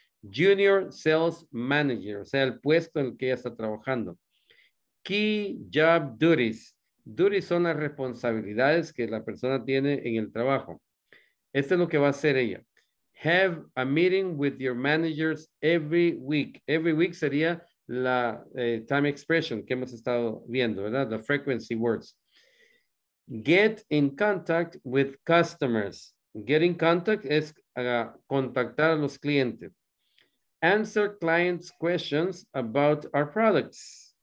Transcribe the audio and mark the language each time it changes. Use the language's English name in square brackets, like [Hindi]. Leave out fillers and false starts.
[Spanish] Junior Sales Manager, o sea, el puesto en el que ella está trabajando. [English] Key Job Duties. [Spanish] Duties son las responsabilidades que la persona tiene en el trabajo. Esto es lo que va a hacer ella. [English] Have a meeting with your managers every week. Every week [Spanish] sería la time expression que hemos estado viendo, ¿verdad? [English] The frequency words. Get in contact with customers. Get in contact [Spanish] es contactar a los clientes. [English] Answer clients' questions about our products.